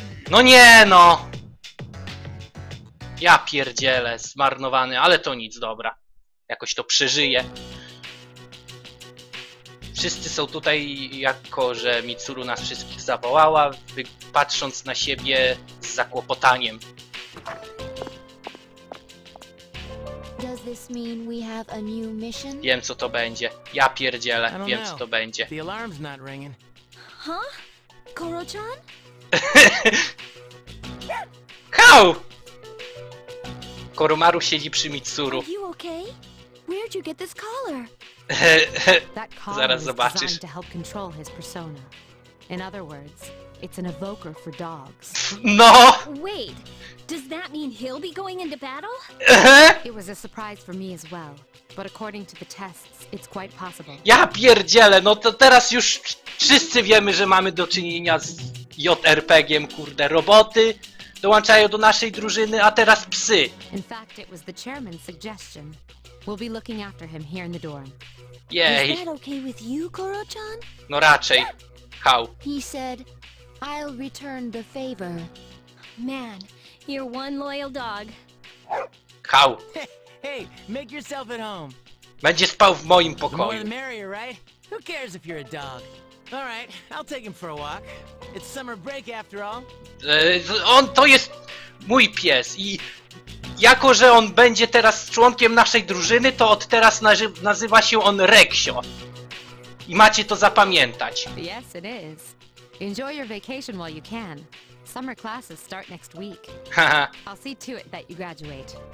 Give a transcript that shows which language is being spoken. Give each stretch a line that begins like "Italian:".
Polish: No nie no! Ja pierdzielę, zmarnowany, ale to nic, dobra. Jakoś to przeżyję. Wszyscy są tutaj, jako że Mitsuru nas wszystkich zawołała, patrząc na siebie z zakłopotaniem.
English: Does this mean we have a new mission?
Polish: Wiem co to będzie. Ja pierdzielę, wiem co to będzie.
English: The alarm's not ringing. Huh? Koro-chan? How?
Polish: Koromaru siedzi przy Mitsuru.
English: Are you okay? Where'd you get this collar? That collar
Polish: zaraz zobaczysz.
English: Is designed to help control his persona. In other words, it's an evoker for dogs. No! Wait! Does that mean he'll be going into battle? It was a surprise for me as well. But according to the tests, it's quite possible.
Polish: Ja pierdzielę, no to teraz już wszyscy wiemy, że mamy do czynienia z JRPG-iem, kurde, roboty dołączają do naszej drużyny, a teraz psy.
English: In fact, it was the chairman's suggestion. We'll be looking after him here in the dorm. Yay. Is that okay with you, Koro-chan?
Polish: No raczej.
English: How? He said, I'll return the favor. Man, you're one loyal dog. How? Hey, make yourself at home.
Polish: Będzie spał w moim pokoju.
English: The more the merrier, right? Who cares if you're a dog? All right, I'll take him for a walk. It's summer break after all.
Polish: On to jest mój pies i... Jako, że on będzie teraz członkiem naszej drużyny, to od teraz nazywa się on Rexio. I macie to zapamiętać.
English: Yes, it is. Enjoy your vacation while you can. Summer classes start next week. I'll see to it that you graduate.